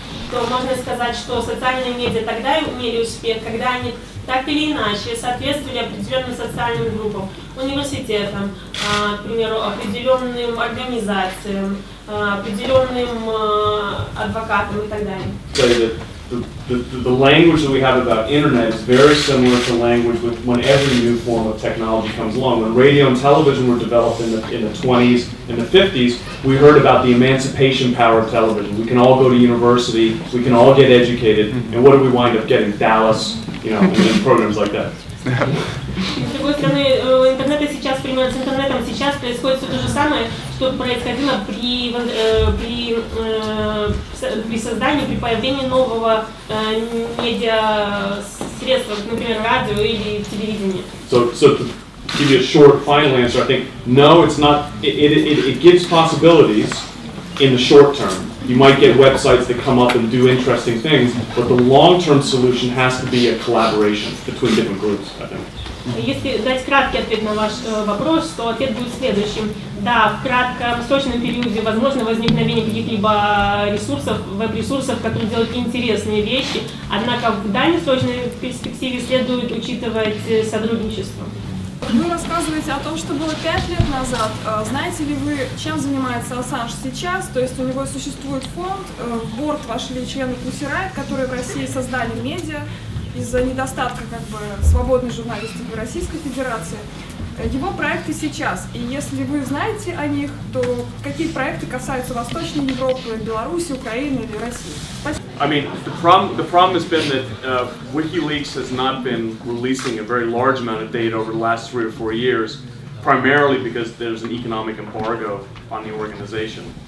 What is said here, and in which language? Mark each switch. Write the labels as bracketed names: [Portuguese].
[Russian] То можно сказать, что социальные медиа тогда имели успех, когда они так или иначе соответствовали определенным социальным группам, университетам, к примеру, определенным организациям, определенным адвокатам и так далее. [English] The language that we have about internet is very similar to language with when every new form of technology comes along. When radio and television were developed in the 20s and the 50s, we heard about the emancipation power of television. We can all go to university, we can all get educated, and what do we wind up getting? Dallas, you know, and programs like that. [Russian] С другой стороны, интернета сейчас, пример с интернетом сейчас происходит все то же самое, что происходило при создании, при появлении нового медиа средства, например, радио или телевидения. [English] So to give you a short final answer, I think no, it's not. It gives possibilities in the short term. You might get websites that come up and do interesting things, but the long-term solution has to be a collaboration between different groups, I think. [Russian] Если дать краткий ответ на ваш вопрос, то ответ будет следующим. Да, в краткосрочном периоде возможно возникновение каких-либо ресурсов, веб-ресурсов, которые делают интересные вещи, однако в дальнесрочной перспективе следует учитывать сотрудничество. Вы рассказываете о том, что было 5 лет назад. Знаете ли вы, чем занимается Assange сейчас? То есть у него существует фонд, в борт вошли члены Pussy Riot, которые в России создали медиа из-за недостатка как бы свободной журналистики в Российской Федерации. Его проекты сейчас, и если вы знаете о них, то какие проекты касаются Восточной Европы, Беларуси, Украины или России? [English] I mean, the problem has been that WikiLeaks has not been releasing a very large amount of data over the last 3 or 4 years, primarily because there's an economic embargo on the organization.